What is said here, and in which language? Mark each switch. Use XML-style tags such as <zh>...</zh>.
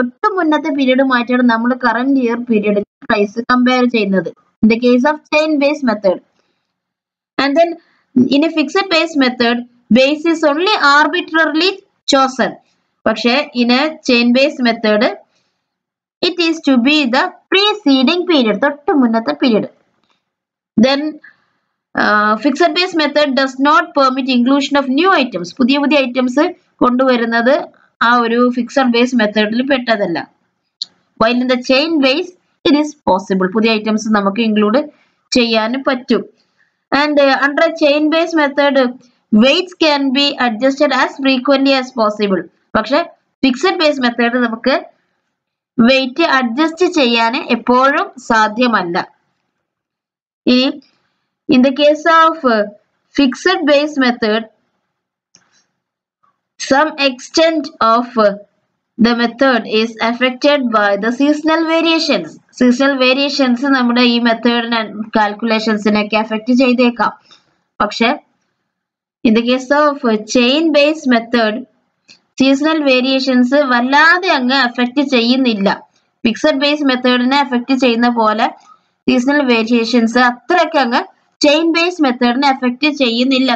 <ml>തൊട്ട് മുന്നത്തെ പീരീഡ് മാറ്റിയാണ് നമ്മൾ കറന്റ് ഇയർ പീരീഡിന് പ്രൈസ് കമ്പയർ ചെയ്യുന്നത്,</ml> <en>In the case of chain base method. And then in a fixed base method base is only arbitrarily chosen.</en> <ml>പക്ഷേ ഇനി</ml> <en>chain base method it is to be the preceding period,</en> <ml>തൊട്ട് മുന്നത്തെ period.</ml> <en>Then, fixed base method does not permit inclusion of new items.</en> <ml>പുതിയ പുതിയ items കൊണ്ടുവരുന്നത് ആ ഒരു fixed base മെത്തേഡിൽ പെട്ടതല്ല.</ml> <en>While in the chain base, it is possible.</en> <ml>പുതിയ items നമുക്ക് ഇൻക്ലൂഡ് ചെയ്യാൻ പറ്റും.</ml> <en>And under a chain base method, weights can be adjusted as frequently as possible.</en> <ml>പക്ഷേ fixed base method നമുക്ക് weight adjust ചെയ്യാൻ എപ്പോഴും സാധ്യമല്ല.</ml> <en>In the case of fixed base method, some extent of the method is affected by the seasonal variations.</en> <ml>Seasonal variations നമ്മുടെ ഈ method and കാൽക്കുലേഷൻസിനൊക്കെ affect ചെയ്തേക്കാം. പക്ഷേ</ml> <en>in the case of chain base method</en> <ml>seasonal variations വല്ലാതെ അങ്ങ് affect ചെയ്യുന്നില്ല. Fixed base മെത്തേഡിനെ affect ചെയ്യുന്ന പോലെ seasonal variations അത്രയ്ക്ക് അങ്ങ് ചെയിൻ ബേസ് മെത്തേഡിനെ എഫക്റ്റ് ചെയ്യുന്നില്ല.</ml>